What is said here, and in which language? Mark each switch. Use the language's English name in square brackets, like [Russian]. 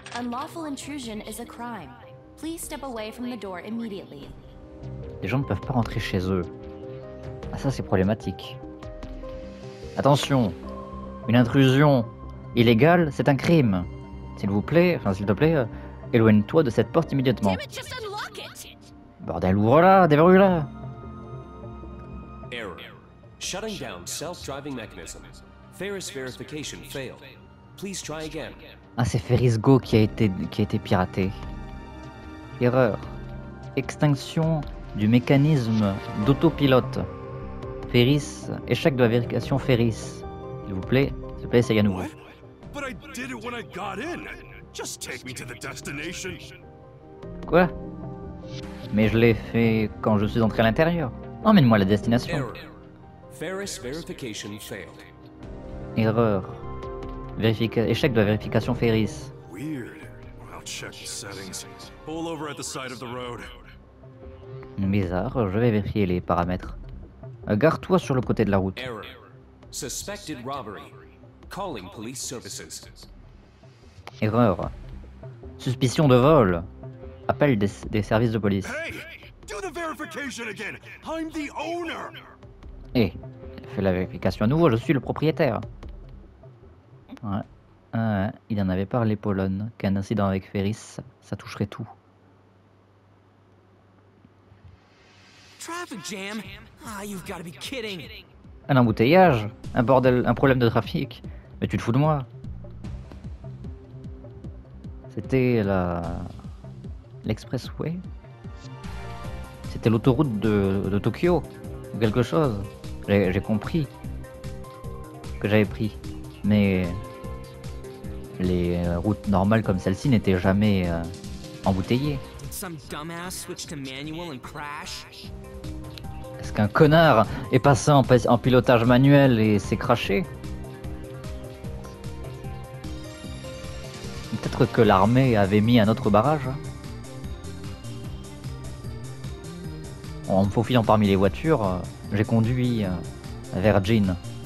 [English] Unlawful intrusion is a crime. Please step away from the door immediately. [French] Les gens ne peuvent pas rentrer chez eux. Ah, ça c'est problématique. Attention. Une intrusion illégale, c'est un crime. S'il vous plaît, éloigne-toi de cette porte immédiatement. Bordel, ouvre-la, déverrouille-la. [English] Error. Shutting down self-driving mechanism. Ferris verification failed. Please try again. [French] Ah, c'est Ferris Go qui a été piraté. Erreur. Extinction du mécanisme d'autopilote. Ferris, échec de la vérification Ferris. S'il vous plaît, essayez à nouveau. [English] But I did it when I got in. Just take me to the destination. [French] Quoi? Mais je l'ai fait quand je suis entré à l'intérieur. Emmène-moi à la destination. [English] Ferris verification failed. [French] Erreur. Échec de la vérification Ferris. [English] Weird. I'll check the settings. Pull over at the side of the road. [French] Bizarre, je vais vérifier les paramètres. Garde-toi sur le côté de la route. [English] Error. Suspected robbery. Calling police services. [French] Erreur. Suspicion de vol. Appel des services de police. [English] Hey, do the verification again. I'm the owner. [French] Fais la vérification à nouveau, je suis le propriétaire. Ouais. Il en avait parlé, Pollon, qu'un incident avec Ferris, ça toucherait tout. [English] Traffic jam. Ah, you've got to be kidding. [French] Un embouteillage, un bordel, un problème de trafic. Mais tu te fous de moi. C'était la... L'expressway. C'était l'autoroute de Tokyo. Ou quelque chose. J'ai compris. Que j'avais pris. Mais... Les routes normales comme celle-ci n'étaient jamais embouteillées. [English] Some dumbass switched to manual and crash. [French] Est-ce qu'un connard est passé en pilotage manuel et s'est crashé? Peut-être que l'armée avait mis un autre barrage. En me faufilant parmi les voitures, j'ai conduit vers Jin.